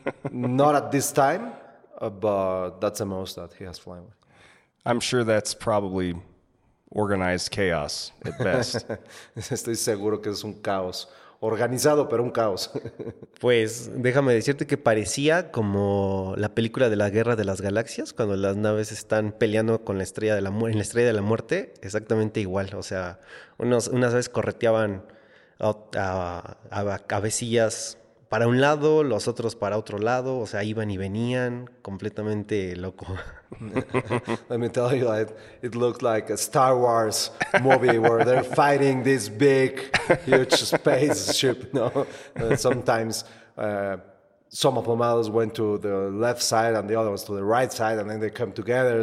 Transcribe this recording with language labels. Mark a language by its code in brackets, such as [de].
[en] not at this time, but that's the most that he has flown with. I'm sure that's probably organized chaos at best. [es] Estoy seguro que es un caos. Organizado, pero un caos. Pues déjame decirte que parecía como la película de la Guerra de las Galaxias, cuando las naves están peleando con la Estrella de la Muerte, en la Estrella de la Muerte, exactamente igual. O sea, unas veces correteaban a vecillas para un lado, los otros para otro lado. O sea, iban y venían completamente loco. [en] Let me tell you, it looked like a Star Wars movie where they're fighting this big, huge spaceship. No, sometimes some of them always went to the left side and the other ones to the right side, and then they come together.